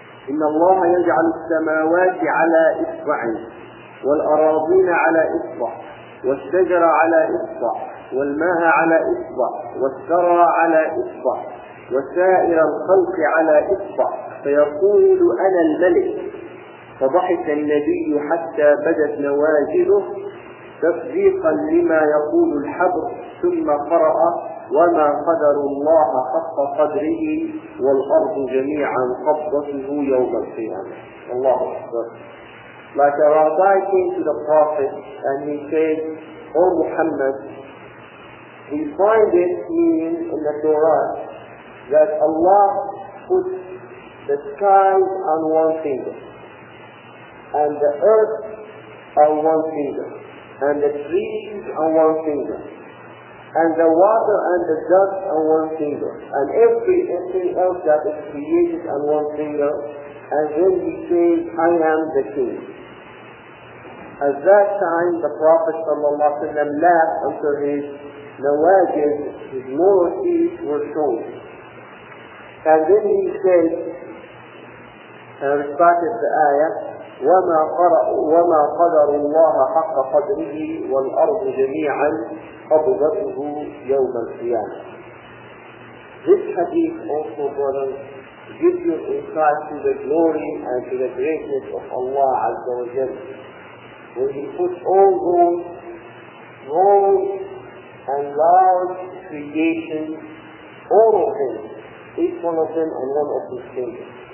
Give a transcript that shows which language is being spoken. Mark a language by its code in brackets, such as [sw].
[ar] إن الله يجعل السماوات على إصبع والأراضين على إصبع والشجر على إصبع والماء على إصبع والثرى على إصبع وسائر الخلق على إصبع فيقول أنا الملك فضحك النبي حتى بدت نواجذه تصديقا لما يقول الحبر ثم قرأ وما قدر الله حق قدره والأرض جميعا قبضته يوم القيامة. الله أكبر. [en] Like a rabbi came to the Prophet and he said, O Muhammad, we find it meaning in the Torah that Allah put the sky on one finger and the earth on one finger, and the trees on one finger, and the water and the dust on one finger, and everything else that is created on one finger, and then he says, I am the king. At that time, the Prophet laughed until his nawajid, his moral teeth were shown. And then he said, and recited the ayah, [ar] وَمَا قَدَرُ اللَّهَ حَقَّ قَدْرِهِ وَالْأَرْضُ جَمِيعًا قَبْضَتُهُ يَوْمَ الْقِيَامَةِ. [en] This hadith also, brothers, gives you insight to the glory and to the greatness of Allah Azza wa Jal. When he put all those small and large creations, all of them, each one of them on one of his fingers.